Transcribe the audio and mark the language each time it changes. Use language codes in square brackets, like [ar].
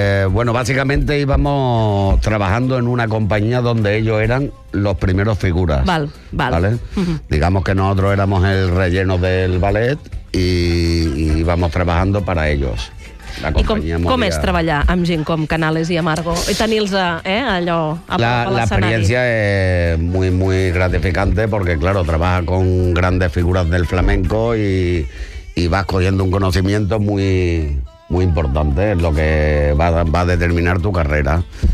[es] Bueno, básicamente íbamos trabajando en una compañía donde ellos eran los primeros figuras. Vale. Uh-huh. Digamos que nosotros éramos el relleno del ballet y íbamos trabajando para ellos. La compañía. [ca] ¿Y com es treballar amb gent com Canales i Amargo? I tenir-los allò a l'escenari. [es] La experiencia es muy, muy gratificante porque, claro, trabaja con grandes figuras del flamenco y vas cogiendo un conocimiento muy, muy importante, lo que va a determinar tu carrera.